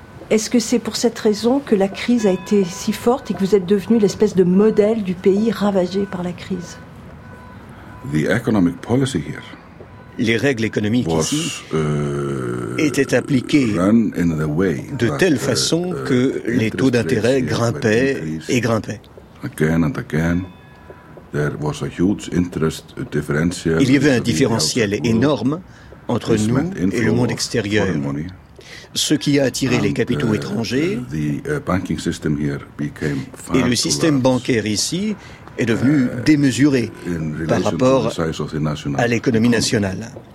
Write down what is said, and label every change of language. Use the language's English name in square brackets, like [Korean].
[French] Est-ce que c'est pour cette raison que la crise a été si forte et que vous êtes devenu l'espèce de modèle du pays ravagé par la crise ? [English] The economic policy here. [French] Les règles économiques ici étaient appliquées de telle façon que les taux d'intérêt grimpaient et grimpaient. [English] Again and again, there was a huge interest differential. [French] Il y avait un différentiel énorme entre nous et le monde extérieur, ce qui a attiré les capitaux étrangers et le système bancaire ici est devenu démesuré par rapport à l'économie nationale.